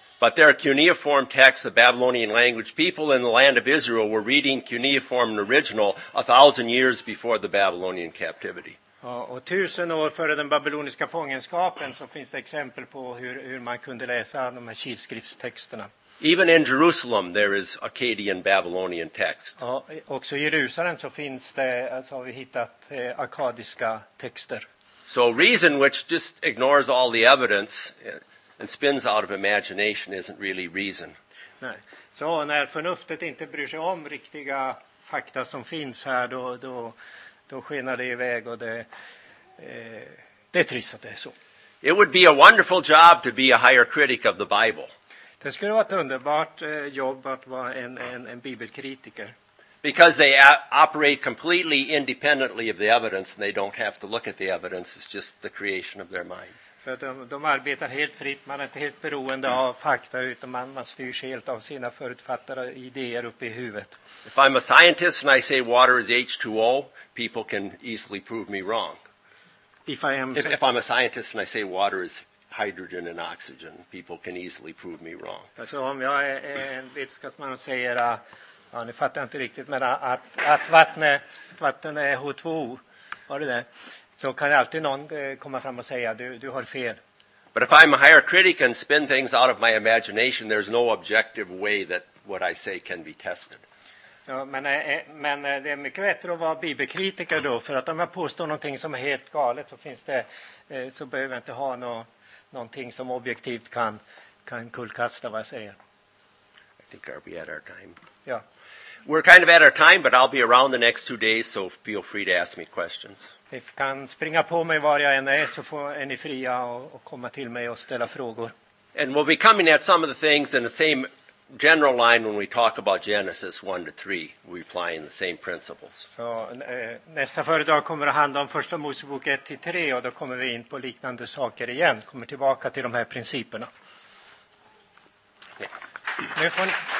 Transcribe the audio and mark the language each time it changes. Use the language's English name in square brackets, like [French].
[English] But there are cuneiform texts, the Babylonian language. People in the land of Israel were reading cuneiform and original 1,000 years before the Babylonian captivity. [Swedish] Och 1,000 år före den babyloniska fångenskapen så finns det exempel på hur man kunde läsa de här kilskriftstexterna. [English] Even in Jerusalem there is Akkadian Babylonian text. [Swedish] Också i Jerusalem så finns det, alltså har vi hittat akkadiska texter. [English] So reason, which just ignores all the evidence and spins out of imagination, isn't really reason. [Swedish] Nej. Så när förnuftet inte bryr sig om riktiga fakta som finns här, då skenar det iväg, och det är trist att det är så. [English] It would be a wonderful job to be a higher critic of the Bible. [Swedish] Det skulle vara ett underbart jobb att vara en bibelkritiker. [English] Because they operate completely independently of the evidence, and they don't have to look at the evidence, it's just the creation of their mind. [Swedish] För de arbetar helt fritt, man är inte helt beroende av fakta, utan man styrs helt av sina förutfattade idéer uppe i huvudet. [English] If I'm a scientist and I say water is H2O, people can easily prove me wrong. If I'm a scientist and I say water is hydrogen and oxygen, people can easily prove me wrong. [Swedish] Alltså om jag är en vetenskapsman och säger, ja, ni fattar inte riktigt, men att vatten är H2O, var det det? Så kan alltid någon komma fram och säga, du har fel. [English] But if I'm a higher critic and spin things out of my imagination, there's no objective way that what I say can be tested. [Swedish] Ja, men det är mycket bättre att vara bibelkritiker då, för att om jag påstår någonting som är helt galet, så finns det, så behöver jag inte ha någonting som objektivt kan kullkasta vad jag säger. [English] I think I'll be at our time. [Swedish] Ja. [English] We're kind of at our time, but I'll be around the next 2 days, so feel free to ask me questions. [Swedish] Ni kan springa på mig var jag än är, så får ni fria och komma till mig och ställa frågor. [English] And we'll be coming at some of the things in the same general line when we talk about Genesis 1-3. We're applying the same principles. [Swedish] Så nästa föredrag kommer att handla om första Mosebok 1-3, och då kommer vi in på liknande saker igen. Kommer tillbaka till de här principerna. Yeah. Nu får ni...